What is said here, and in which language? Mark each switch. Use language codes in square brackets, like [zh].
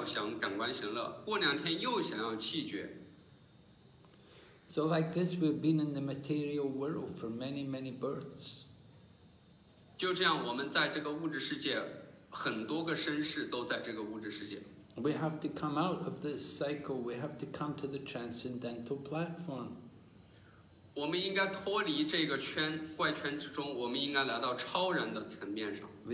[zh] 我们根本就不知道我们自己要什么,我们今天想要气绝,明天要想感官行乐,过两天又想要气绝。 [en] So like this, we've been in the material world for many, many births. [zh] 就这样,我们在这个物质世界,很多个身世都在这个物质世界。 [en] We have to come out of this cycle, we have to come to the transcendental platform. [zh] 我们应该脱离这个圈,怪圈之中,我们应该来到超然的层面上。 [en] We